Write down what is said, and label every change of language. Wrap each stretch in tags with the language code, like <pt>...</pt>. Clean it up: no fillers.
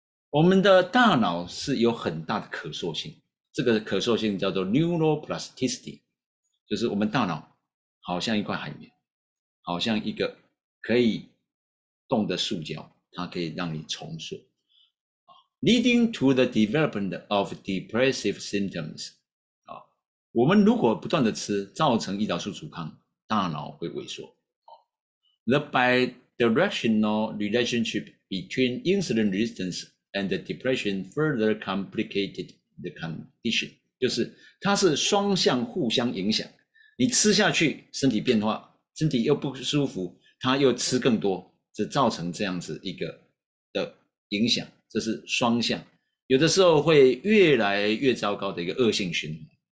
<zh>我们的大脑是有很大的可塑性，这个可塑性叫做 neuroplasticity，就是我们大脑好像一块海绵，好像一个可以动的塑胶，它可以让你重塑。</zh> <en>Leading to the development of depressive symptoms。</en> <zh>我们如果不断的吃，造成胰岛素阻抗，大脑会萎缩。</zh> <en>The bidirectional relationship between insulin resistance and depression further complicated the condition。</en> <zh>就是它是双向互相影响，你吃下去，身体变化，身体又不舒服，它又吃更多，这造成这样子一个的影响，这是双向，有的时候会越来越糟糕的一个恶性循环。</zh>